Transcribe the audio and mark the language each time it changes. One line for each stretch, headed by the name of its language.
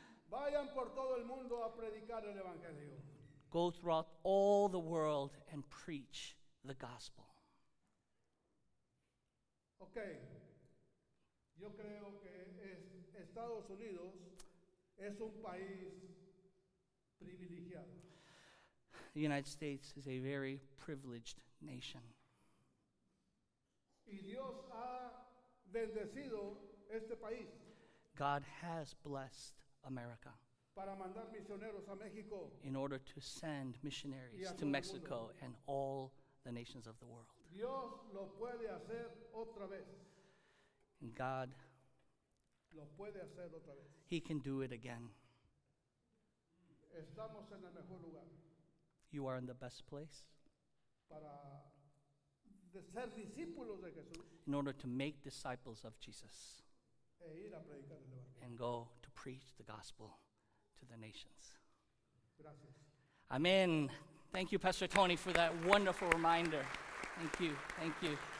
Spanish: Vayan por todo el mundo a predicar el evangelio.
English: Go throughout all the world and preach the gospel. Okay.
Spanish: Yo creo que Estados Unidos es un país privilegiado.
English: The United States is a very privileged nation.
Spanish: Y Dios ha bendecido este país.
English: God has blessed America
Spanish: para mandar misioneros a México,
English: in order to send missionaries to Mexico
Spanish: mundo.
English: And all the nations of the world.
Spanish: Dios lo puede hacer otra vez.
English: And God
Spanish: lo puede hacer otra vez.
English: He can do it again.
Spanish: Estamos en el mejor lugar.
English: You are in the best place.
Spanish: Para de ser discípulos de Jesús.
English: In order to make disciples of Jesus.
Spanish: E ir a predicar el evangelio.
English: And go to preach the gospel to the nations.
Spanish: Gracias.
English: Amen. Thank you, Pastor Tony, for that wonderful reminder. Thank you.